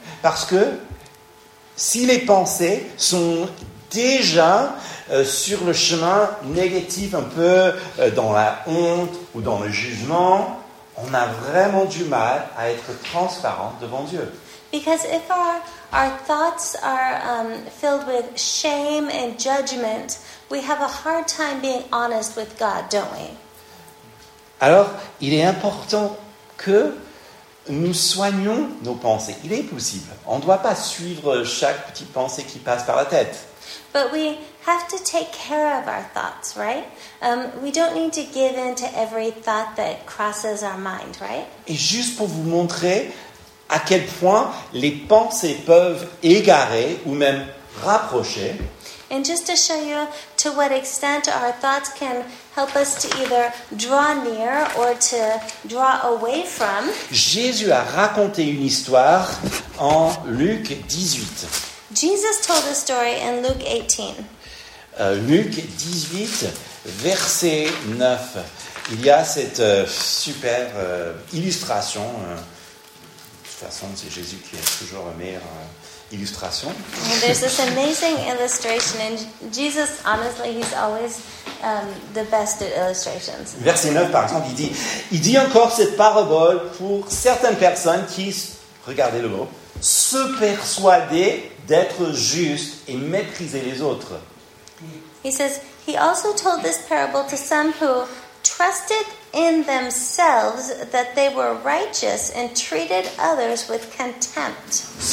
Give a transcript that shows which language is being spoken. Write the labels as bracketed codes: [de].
[fr] Parce que si les pensées sont déjà sur le chemin négatif, un peu dans la honte ou dans le jugement, on a vraiment du mal à être transparent devant Dieu. [en] Because if our thoughts are filled with shame and judgment, we have a hard time being honest with God, don't we? [fr] Alors, il est important que nous soignons nos pensées. Il est possible. On ne doit pas suivre chaque petite pensée qui passe par la tête. [en] But we have to take care of our thoughts, right? We don't need to give in to every thought that crosses our mind, right? [fr] Et juste pour vous montrer à quel point les pensées peuvent égarer ou même rapprocher. [en] And just to show you to what extent our thoughts can help us to either draw near or to draw away from. [fr] Jésus a raconté une histoire en Luc 18. [en] Jesus told a story in Luke 18. [fr] Luc 18, verset 9. Il y a cette super illustration. De toute façon, c'est Jésus qui est toujours la meilleure illustration. [en] There's this amazing illustration, and Jesus, honestly, he's always the best at illustrations. [fr] Verset 9, par exemple, il dit encore cette parabole pour certaines personnes qui, regardez le mot, se persuadaient d'être justes et méprisaient les autres. [en] He says he also told this parable to some who trusted in themselves that they were righteous and treated others with contempt.